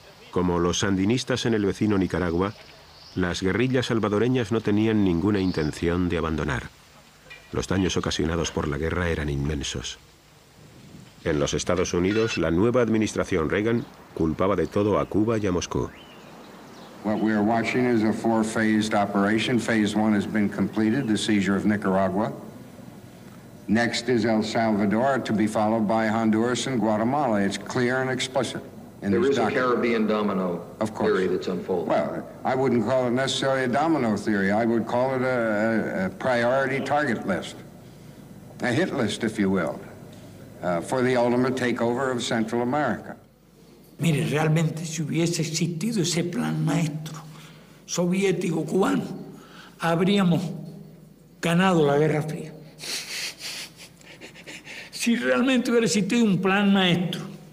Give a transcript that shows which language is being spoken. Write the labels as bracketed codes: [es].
[es] Como los sandinistas en el vecino Nicaragua, las guerrillas salvadoreñas no tenían ninguna intención de abandonar. Los daños ocasionados por la guerra eran inmensos. En los Estados Unidos, la nueva administración Reagan culpaba de todo a Cuba y a Moscú. [en] What we are watching is a four-phased operation. Phase one has been completed, the seizure of Nicaragua. Next is El Salvador, to be followed by Honduras and Guatemala. It's clear and explicit. There is a Caribbean domino theory that's unfolding. Well, I wouldn't call it necessarily a domino theory. I would call it a priority target list, a hit list, if you will, for the ultimate takeover of Central America. [es] Mire, realmente si hubiese existido ese plan maestro soviético-cubano, habríamos ganado la Guerra Fría. Si realmente hubiera existido un plan maestro.